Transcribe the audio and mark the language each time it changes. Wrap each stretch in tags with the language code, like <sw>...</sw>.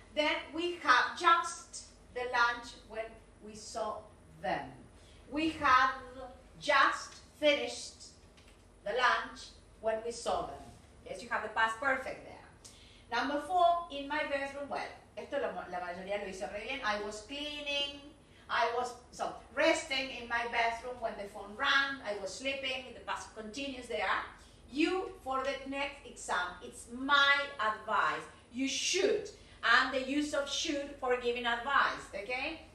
<en>Then we have just the lunch when we saw them. We have just finished the lunch when we saw them. Yes, you have the past perfect there. Number four, in my bedroom, well,</en> <es>esto la mayoría lo hizo re bien.</es> <en>I was cleaning, I was resting in my bathroom when the phone rang, I was sleeping, the past continues there. You, for the next exam, it's my advice, you should, and the use of should for giving advice, okay?</en>